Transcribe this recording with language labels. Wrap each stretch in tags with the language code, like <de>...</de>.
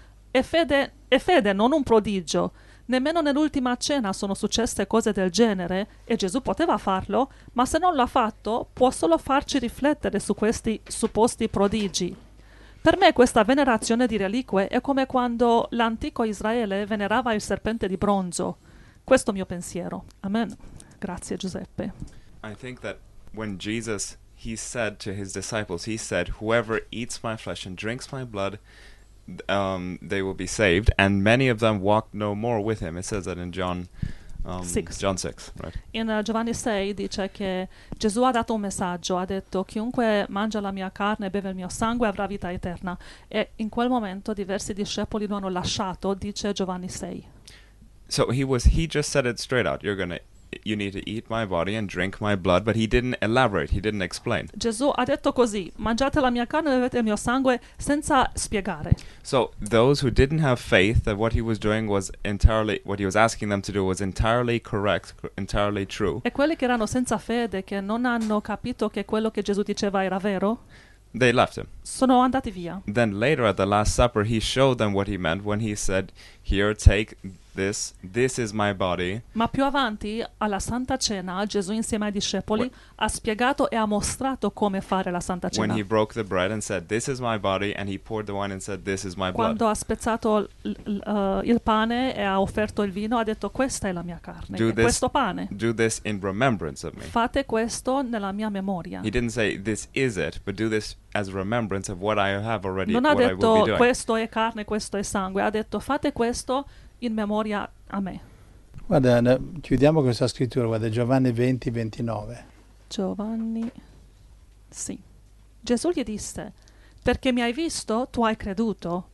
<it>È fede, non un prodigio. Nemmeno nell'ultima cena sono successe cose del genere e Gesù poteva farlo, ma se non l'ha fatto, può solo farci riflettere su questi supposti prodigi. Per me questa venerazione di reliquie è come quando l'antico Israele venerava il serpente di bronzo. Questo è il mio pensiero. Amen. Grazie, Giuseppe.</it> <en>I think that when Jesus, he said to his disciples, he said, whoever eats my flesh and drinks my blood, they will be saved, and many of them walk no more with him. It says that in Six. John 6, right?</en> <it>In Giovanni 6 dice che Gesù ha dato un messaggio, ha detto chiunque mangia la mia carne e beve il mio sangue avrà vita eterna. E in quel momento diversi discepoli lo hanno lasciato, dice Giovanni 6.</it> <en>So he just said it straight out. You need to eat my body and drink my blood, but he didn't elaborate, he didn't explain.</en> <it>Gesù ha detto così, mangiate la mia carne e bevete il mio sangue senza spiegare.</it> <en>So those who didn't have faith that what he was doing was entirely, what he was asking them to do was entirely correct, entirely true,</en> <it>E quelli che erano senza fede, che non hanno capito che quello che Gesù diceva era vero,</it> <en>they left him.</en> <it>sono andati via.</it> <en>Then later at the Last Supper he showed them what he meant when he said, here, take this is my body.</en> <it>Ma più avanti, alla Santa Cena, Gesù insieme ai discepoli ha spiegato e ha mostrato come fare la Santa</it> <en>When</en> <it>Cena.</it> <en>he broke the bread and said, this is my body, and he poured the wine and said, this is my blood.</en> <it>Quando ha spezzato il pane e ha offerto il vino, ha detto: questa è la mia carne,</it> <en>Do</en> <it>è questo pane.</it> <en>this in remembrance of me.</en> <it>Fate questo nella mia memoria.</it> <en>He didn't say, this is it, but do this as remembrance of what I have already,</en> <it>Non ha</it> <en>what I will be</en> <it>detto:</it> <en>doing.</en> <it>questo è carne, questo è sangue. Ha detto: fate questo in memoria a me. Guarda, chiudiamo questa scrittura, guarda, Giovanni 20, 29. Giovanni, sì. Gesù gli disse: perché mi hai visto, tu hai creduto.</it>